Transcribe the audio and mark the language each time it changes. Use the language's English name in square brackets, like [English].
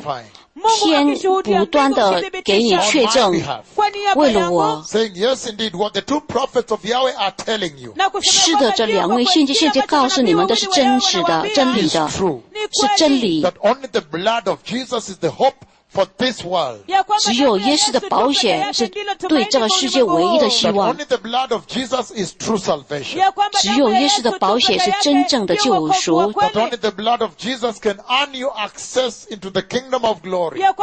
[Chinese] 天不断地给予确证，为了我。 [English] Saying yes, indeed, what the two prophets of Yahweh are telling you. [Chinese] 是的，这两位先知告诉你们的是真实的，真理的，是真理。 [English] That only the blood of Jesus is the hope for this world. [Chinese] 只有耶稣的宝血是对这个世界唯一的希望。 [English] That only the blood of Jesus is true salvation. [Chinese] 只有耶稣的宝血是真正的救赎。 [English] That only the blood of Jesus can earn you access into the kingdom of glory.